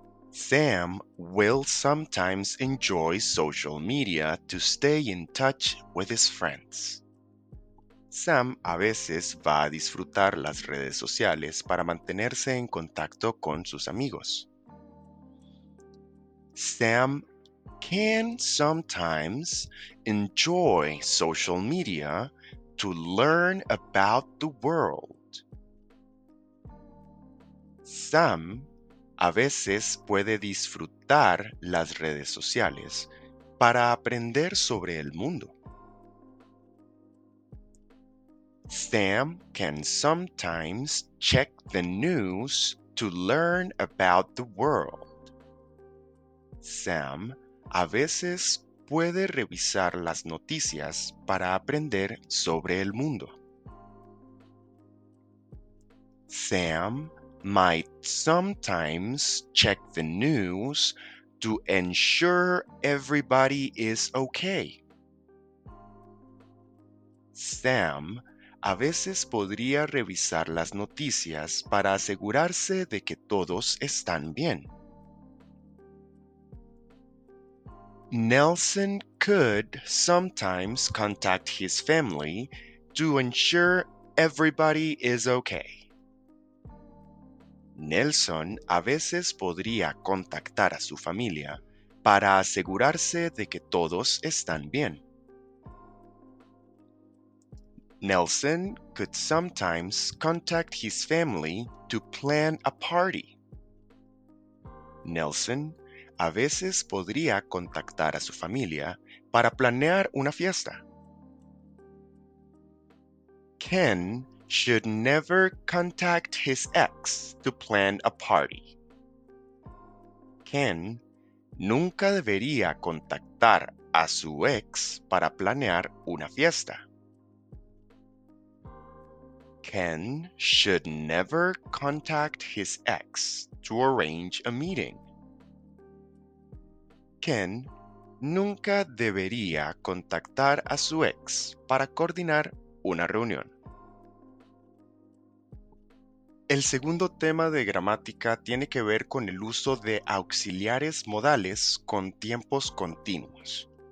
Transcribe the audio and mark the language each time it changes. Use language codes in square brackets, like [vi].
[en] Sam will sometimes enjoy social media to stay in touch with his friends. [es] Sam a veces va a disfrutar las redes sociales para mantenerse en contacto con sus amigos. [en] Sam can sometimes enjoy social media to learn about the world. [es] Sam a veces puede disfrutar las redes sociales para aprender sobre el mundo. [en] Sam can sometimes check the news to learn about the world. [es] Sam a veces puede revisar las noticias para aprender sobre el mundo. [en] Sam might sometimes check the news to ensure everybody is okay. [es] Sam a veces podría revisar las noticias para asegurarse de que todos están bien. [en] Nelson could sometimes contact his family to ensure everybody is okay. [es] Nelson a veces podría contactar a su familia para asegurarse de que todos están bien. [en] Nelson could sometimes contact his family to plan a party. [es] Nelson a veces podría contactar a su familia para planear una fiesta. [en] Ken should never contact his ex to plan a party. [es] Ken nunca debería contactar a su ex para planear una fiesta. [en] Ken should never contact his ex to arrange a meeting. [es] Ken nunca debería contactar a su ex para coordinar una reunión. El segundo tema de gramática tiene que ver con el uso de auxiliares modales con tiempos continuos.